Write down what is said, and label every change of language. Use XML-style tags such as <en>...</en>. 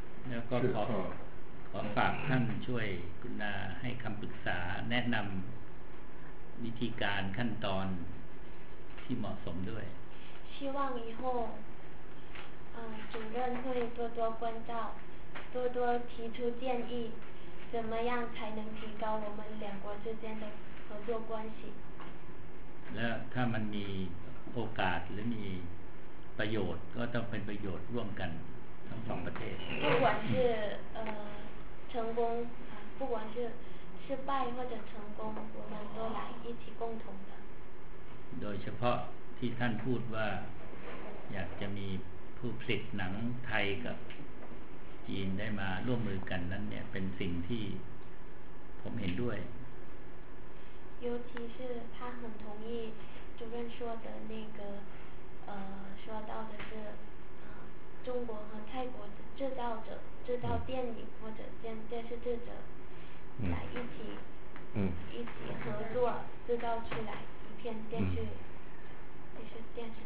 <th>แล้วก็ขอฝากท่านช่วยคุณนาให้คำปรึกษาแนะนำวิธีการขั้นตอนที่เหมาะสมด้วย</th> <zh>希望以后主任会多多关照多多提出建议怎么样才能提高我们两国之间的合作关系</zh> <th>แล้วถ้ามันมีโอกาสหรือมีประโยชน์ก็ต้องเป็นประโยชน์ร่วมกันทั้งสองประเทศ</th> <zh>不管是成功不管是失败或者成功我们都来一起共同的</zh> <th>โดยเฉพาะที่ท่านพูดว่าอยากจะมีผู้ผลิตหนังไทยกับจีนได้มาร่วมมือกันนั้นเนี่ยเป็นสิ่งที่ผมเห็นด้วย</th> <zh>尤其是他很同意主任说的那个说到的是中国和泰国的制造者制造电影或者电视制者来一起合作制造出来一片电视剧</zh>